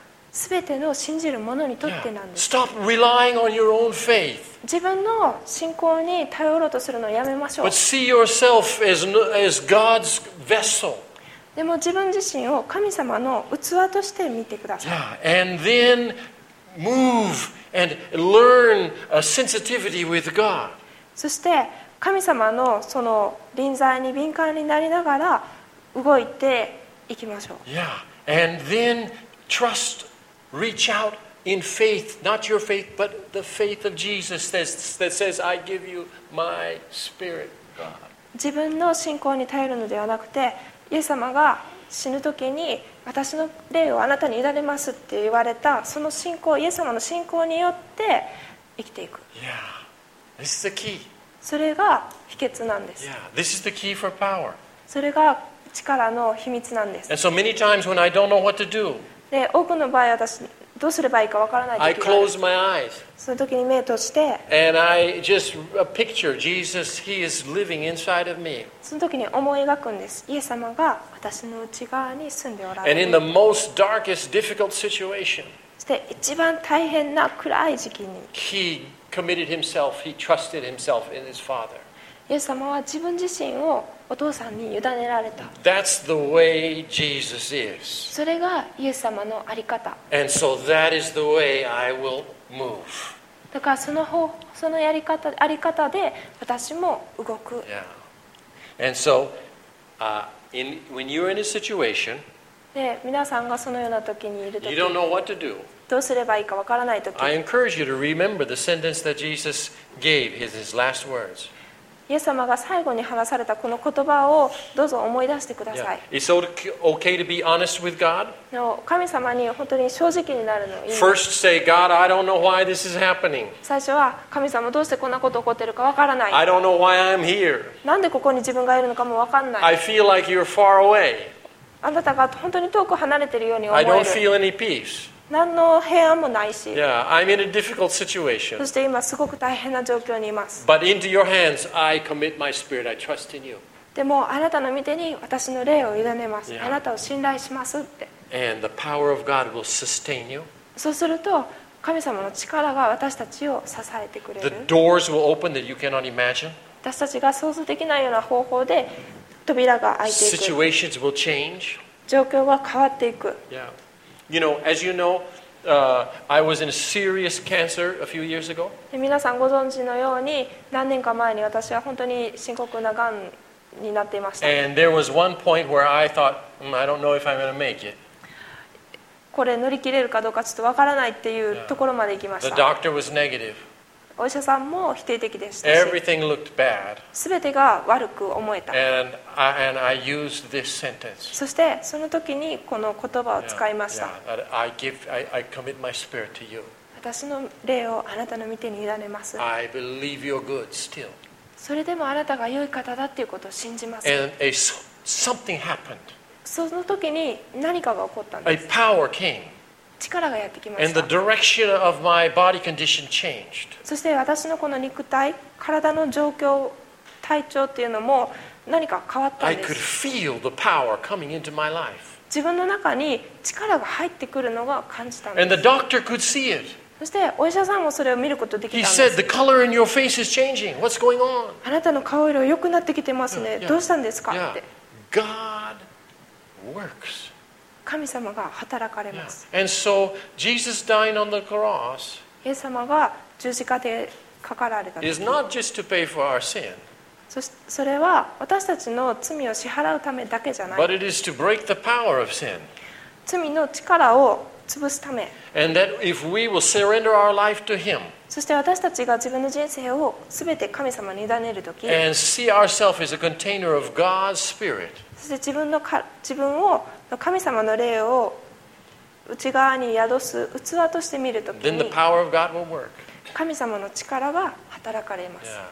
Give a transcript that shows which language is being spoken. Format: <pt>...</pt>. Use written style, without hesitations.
<ja>すべての信じる者にとってなんです。</ja> <en>Stop relying on your own faith.</en> <ja>自分の信仰に頼ろうとするのをやめましょう。</ja> <en>But see yourself as God's vessel.</en> <ja>でも自分自身を神様の器として見てください。</ja> <en>Yeah. And then move and learn a sensitivity with God.</en> <ja>そして神様のその臨在に敏感になりながら動いていきましょう。</ja> <en>Yeah. And then trust, reach out in faith, not your faith, but the faith of Jesus that says, I give you my spirit, God.</en> <ja>自分の信仰に頼るのではなくて、イエス様が死ぬ時に私の霊をあなたに委ねますって言われた、その信仰、イエス様の信仰によって生きていく。</ja> <en>Yeah. This is the key.</en> <ja>それが秘訣なんです。</ja> <en>Yeah, this is the key for power.</en> <ja>それが力の秘密なんです。</ja> <en>And so many times when I don't know what to do,</en> <ja>で多くの場合私どうすればいいかわからない時がある。</ja> <en>I close my eyes.</en> <ja>その時に目を閉じて。</ja> <en>And I just picture Jesus, he is living inside of me.</en> <ja>その時に思い描くんです。イエス様が私の内側に住んでおられる。</ja> <en>And in the most darkest, difficult situation,</en> <ja>そして一番大変な暗い時期に。</ja> <en>committed himself, he trusted himself in his father.</en> <ja>イエス様は自分自身をお父さんに委ねられた。</ja> <en>That's the way Jesus is.</en> <ja>それがイエス様のあり方。</ja> <en>And so that is the way I will move.</en> <ja>だからその方、そのやり方、あり方で私も動く。</ja> <en>Yeah. And so, when you're in a situation,</en> <ja>で皆さんがそのような時にいる時</ja> <en>you don't know what to do.</en> <ja>どうすればいいかわからない時</ja> <en>I encourage you to remember the sentence that Jesus gave in his last words.</en> <ja>イエス様が最後に話されたこの言葉をどうぞ思い出してください。</ja> <en>Yeah. It's okay to be honest with God.</en> <ja>神様に本当に正直になるのいい。</ja> <en>First say, God, I don't know why this is happening.</en> <ja>最初は神様どうしてこんなこと起こってるかわからない。</ja> <en>I don't know why I'm here.</en> <ja>なんでここに自分がいるのかもわかんない。</ja> <en>I feel like you're far away.</en> <ja>あなたが本当に遠く離れているように思える</ja> <en>I don't feel any peace.</en> <ja>何の平安もないし</ja> <en>yeah, I'm in a difficult situation.</en> <ja>そして今すごく大変な状況にいます</ja> <en>But into your hands, I commit my spirit. I trust in you.</en> <ja>でもあなたの御手に私の霊を委ねます、yeah. あなたを信頼しますって</ja> <en>And the power of God will sustain you.</en> <ja>そうすると神様の力が私たちを支えてくれる</ja> <en>The doors will open that you cannot imagine.</en> <ja>私たちが想像できないような方法で扉が開いていく。</ja> <en>Situations will change.</en> <ja>状況は変わっていく。</ja> <en>Yeah. You know, as you know, I was in a serious cancer a few years ago.</en> <ja>皆さんご存知のように、何年か前に私は本当に深刻ながんになっていました。</ja> <en>And there was one point where I thought, I don't know if I'm going to make it.</en> <ja>これ乗り切れるかどうかちょっとわからないっていうところまで行きました。</ja> <en>The doctor was negative.</en> <ja>お医者さんも否定的でしたし</ja> <en>Everything looked bad.</en> <ja>全てが悪く思えた</ja> <en>and I used this sentence. そしてその時にこの言葉を使いました yeah, yeah. I commit my spirit to you.</en> <ja>私の霊をあなたの御手に委ねます</ja> <en>I believe you're good still.</en> <ja>それでもあなたが良い方だっていうことを信じます</ja> <en>and a, something happened.</en> <ja>その時に何かが起こったんです</ja> <en>a power came.</en> <ja>力がやってきました。</ja> <en>And the direction of my body condition changed.</en> <ja>そして私のこの肉体、体の状況、体調っていうのも何か変わったんです。</ja> <en>I could feel the power coming into my life.</en> <ja>自分の中に力が入ってくるのが感じたんです。</ja> <en>And the doctor could see it.</en> <ja>そしてお医者さんもそれを見ることができたんです。</ja> <en>He said, "The color in your face is changing. What's going on?"</en> <ja>あなたの顔色良くなってきてますね。どうしたんですかって。</ja> <en>God works.</en> <ja>神様が働かれます。</ja> <en>Yeah. And so, Jesus dying on the cross</en> <ja>イエス様が十字架でかかられた</ja> <en>is not just to pay for our sin.</en> <ja>それは私たちの罪を支払うためだけじゃない。</ja> <en>But it is to break the power of sin.</en> <ja>罪の力を潰すため。</ja> <en>And that if we will surrender our life to Him,</en> <ja>そして私たちが自分の人生を全て神様に委ねるとき</ja> <en>and see ourselves as a container of God's Spirit,</en> <ja>そして自分を神様の霊を内側に宿す器として見るときに神様の力が働かれます。</ja>